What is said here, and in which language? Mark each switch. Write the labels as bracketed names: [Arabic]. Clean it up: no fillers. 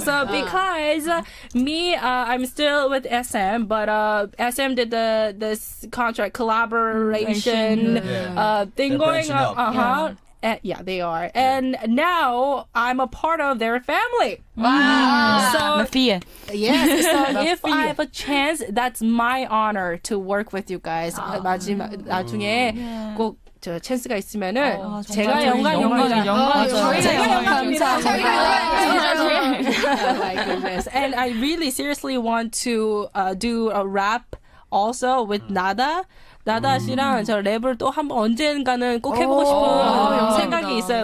[English] So because me I'm still with SM but SM did this contract collaboration thing going on. Uh-huh. Yeah. yeah, they are. Yeah. And now I'm a part of their family. Wow. Mafia. Yes. So if I have a chance, that's my honor to work with you guys. [Korean] 나중에 꼭 저 챈스가 있으면은 제가 영광입니다. [English] And I really seriously want to do a rap also with Nada. [Korean] Nada 씨랑 저 랩을 또 한번 언젠가는 꼭 해보고 싶은 생각이 있어요.